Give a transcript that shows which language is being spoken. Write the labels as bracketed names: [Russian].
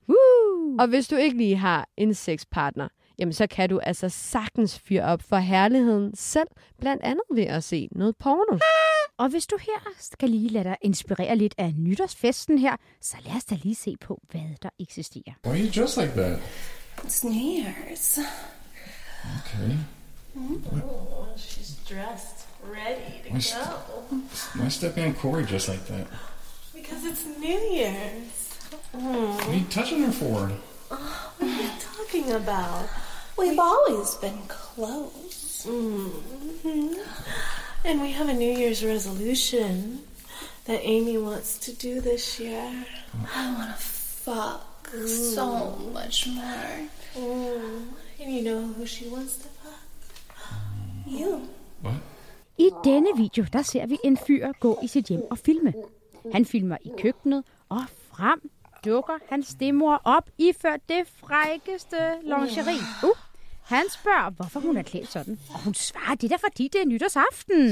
[Danish] Woo! Og hvis du ikke lige har en sexpartner, jamen så kan du altså sagtens fyre op for herligheden selv, blandt andet ved at se noget porno. Og hvis du her skal lige lade dig inspirere lidt af nytårsfesten her, så lad os da lige se på, hvad der eksisterer. [English] Why are you dressed like that? It's New Year's. Okay. She's dressed. Ready to go. Why Stepan Corey just like that? Because it's New Year's. Mm. What are you touching her for? What are you talking about? We've always been close. Mm-hmm. And we have a New Year's resolution that Amy wants to do this year. I want to fuck so much more. And you know who she wants to fuck? You. What? [Danish] I denne video, der ser vi en fyr gå i sit hjem og filme. Han filmer i køkkenet, og frem dukker hans stemor op iført det frækkeste lingerie. Han spørger, hvorfor hun er klædt sådan. Og hun svarer, det er fordi, det er nytårsaften.